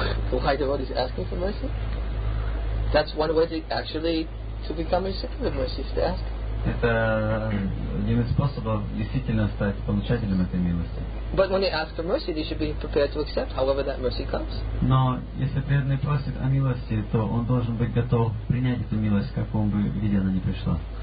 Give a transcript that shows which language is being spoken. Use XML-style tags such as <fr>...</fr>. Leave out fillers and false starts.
<en>Why devotees asking for mercy? That's one way to actually to become recipient of mercy, is to ask.</en> <ru>Это один из способов действительно стать получателем этой милости.</ru> <en>But when they ask for mercy, they should be prepared to accept, however that mercy comes.</en> <ru>Но если преданный просит о милости, то он должен быть готов принять эту милость, в каком бы виде она ни пришла.</ru>